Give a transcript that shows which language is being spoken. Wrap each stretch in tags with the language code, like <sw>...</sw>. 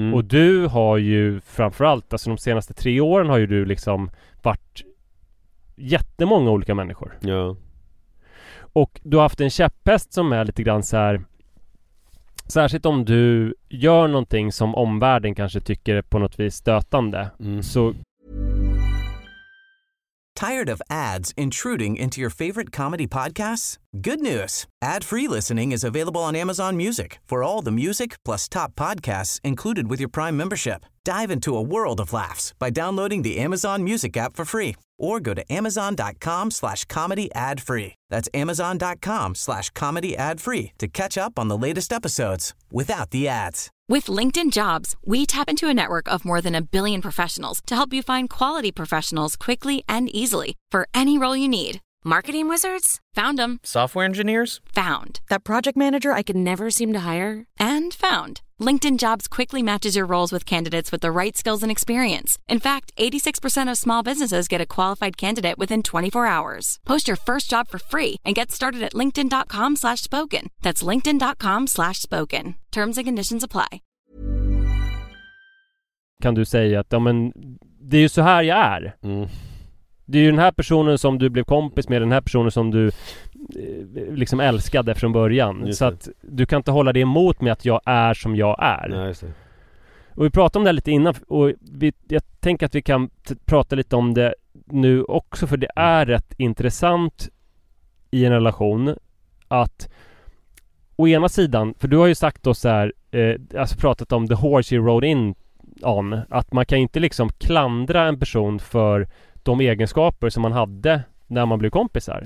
<sv>Och du har ju framförallt, alltså de senaste 3 åren har ju du liksom varit jättemånga olika människor. Ja. Och du har haft en käpphäst som är lite grann så här, särskilt om du gör någonting som omvärlden kanske tycker är på något vis stötande, så...</sv> <en>Tired of ads intruding into your favorite comedy podcasts? Good news! Ad-free listening is available on Amazon Music for all the music plus top podcasts included with your Prime membership. Dive into a world of laughs by downloading the Amazon Music app for free or go to amazon.com/comedyadfree. That's amazon.com/comedyadfree to catch up on the latest episodes without the ads. With LinkedIn Jobs, we tap into a network of more than a billion professionals to help you find quality professionals quickly and easily for any role you need. Marketing wizards? Found them. Software engineers? Found. That project manager I could never seem to hire? And found. LinkedIn Jobs quickly matches your roles with candidates with the right skills and experience. In fact, 86% of small businesses get a qualified candidate within 24 hours. Post your first job for free and get started at linkedin.com/spoken. That's linkedin.com/spoken. Terms and conditions apply.</en> <sv>Kan du säga att, ja, men det är ju så här jag är. Det är ju den här personen som du blev kompis med, den här personen som du liksom älskade från början. Just så det. Att du kan inte hålla det emot mig att jag är som jag är. Nej, just det. Och vi pratade om det lite innan och jag tänker att vi kan prata lite om det nu också, för det är rätt intressant i en relation att å ena sidan, för du har ju sagt då så här, alltså pratat om</sv> <en>the horse you rode in on,</en> <sv>att man kan inte liksom klandra en person för de egenskaper som man hade när man blev kompisar.</sv>